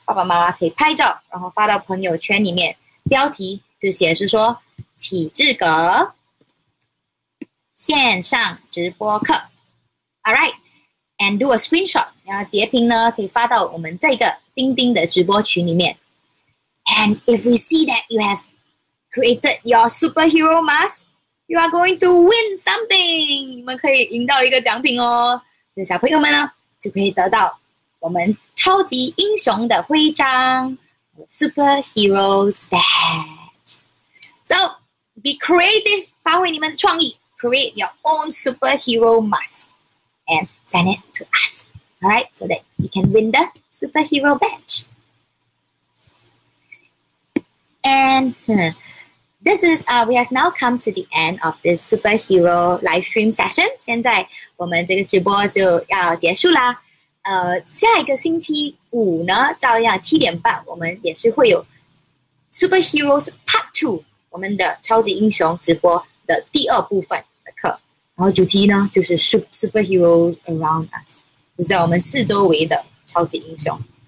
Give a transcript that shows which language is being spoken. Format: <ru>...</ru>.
<zh>爸爸妈妈可以拍照，然后发到朋友圈里面。标题就写是说“启智阁线上直播课 ”</zh> <en>All right, and do a screenshot.</en> <zh>然后截屏呢，可以发到我们这个钉钉的直播群里面。</zh> <en>And if we see that you have created your superhero mask, you are going to win something.</en> <zh>你们可以赢到一个奖品哦。那小朋友们呢，就可以得到。我们超级英雄的徽章</zh> <en>Superheroes badge. So be creative,</en> <zh>发挥你们的创意</zh> <en>Create your own superhero mask and send it to us. Alright, so that you can win the superhero badge. And this is, we have now come to the end of this superhero live stream session.</en> <zh>现在我们这个直播就要结束啦。下一个星期五呢，照样7:30，我们也是会有 Superheroes Part 2， 我们的超级英雄直播的第二部分的课。然后主题呢，就是 Superheroes Around Us， 就在我们四周围的超级英雄。</zh>